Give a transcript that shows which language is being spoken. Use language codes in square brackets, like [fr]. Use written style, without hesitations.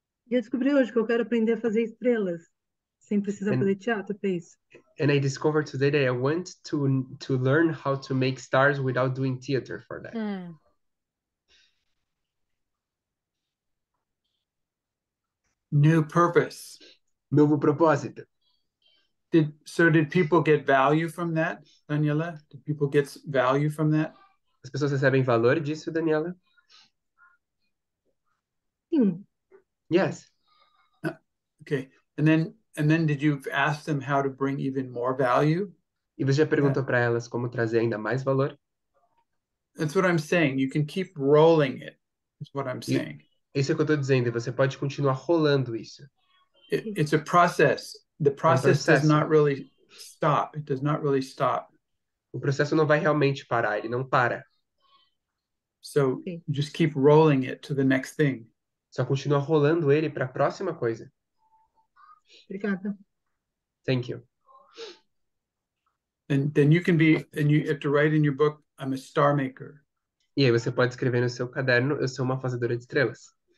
[pt] E eu descobri hoje que eu quero aprender a fazer estrelas sem precisar fazer teatro, isso. [en] And I discovered today that I want to learn how to make stars without doing theater for that. New purpose. [pt] Novo propósito. [en] So did people get value from that, Daniela? Did people get value from that? [pt] As pessoas recebem valor disso, Daniela? Sim. [en] Yes. Okay. And then did you ask them how to bring even more value? [pt] E você já perguntou para elas como trazer ainda mais valor? [en] That's what I'm saying. You can keep rolling it. That's what I'm saying. [pt] Isso é o que eu estou dizendo. Você pode continuar rolando isso. [en] It's a process. The process does not really stop. It does not really stop. [pt] O processo não vai realmente parar. Ele não para. [en] So, okay. Just keep rolling it to the next thing. [pt] Só continua rolando ele para a próxima coisa. Obrigada. [en] Thank you. And then you have to write in your book, I'm a star maker. [pt] E aí você pode escrever no seu caderno, eu sou uma fazedora de estrelas.